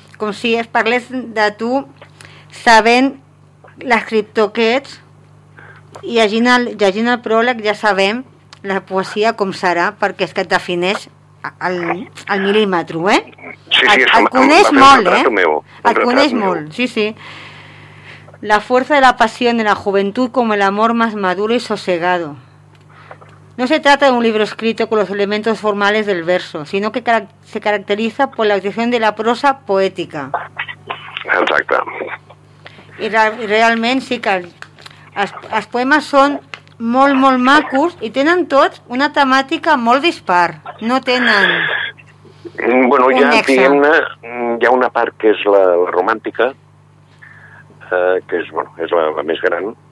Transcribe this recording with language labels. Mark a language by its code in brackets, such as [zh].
[ca] com si es parlés de tu sabent l'escriptor que ets, i llegint el pròleg ja sabem la poesia com serà, perquè és que et defineix al mil·límetre, eh? Sí, el coneix molt, el coneix molt, sí, sí. [es] La fuerza de la pasión en la juventud como el amor más maduro y sosegado. No se trata de un libro escrito con los elementos formales del verso, sino que se caracteriza por la utilización de la prosa poética. Exacto. [ca] Y realment sí que els poemes són molt, molt macos, i tenen tots una temàtica molt dispar. No tenen... bueno, ja, diguem-ne, hi ha una part que és la romàntica, que és, bueno, és la més gran.